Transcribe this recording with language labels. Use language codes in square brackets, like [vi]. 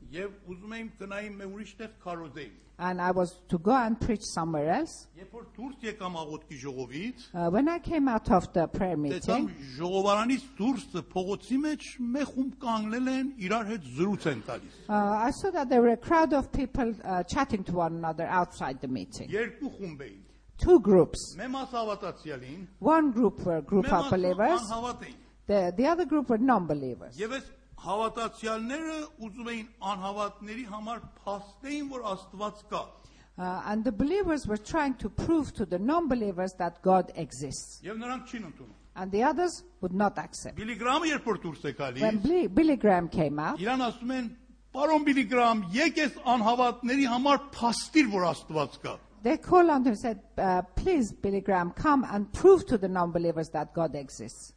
[hy] Եվ ուզում էին գնային մեր ուրիշ տեղ քարոզեին. [en] And I was to go and preach somewhere else. [hy] Երբ որ դուրս եկամ աղոթքի ժողովից. [en] When I came out of the prayer meeting. [hy] Դեռ ժողովարանից դուրս փողոցի մեջ մեխում կանգնել են, իրար հետ զրուց են տալիս. [en] I saw that there were a crowd of people chatting to one another outside the meeting. [hy] Երկու խումբ էին. [en] Two groups. [hy] Մեմ հավատացյալին. [en] One group were group of believers. [hy] Մեմ հավատացին. [en] The other group were non-believers. [hy] Եվ հավատացյալները ուզում էին անհավատների համար փաստեին, որ Աստված կա. [en] And the believers were trying to prove to the non-believers that God exists. [hy] Եվ նրանք չին ընդունում. [en] And the others would not accept. [hy] Billy Graham երբ որ դուրս եկալի. [en] When Billy Graham came out. [hy] Իրան ասում են, պարոն Billy Graham, եկես անհավատների համար փաստիր, որ Աստված կա. [en] They called on him and said, please, Billy Graham, come and prove to the non-believers that God exists.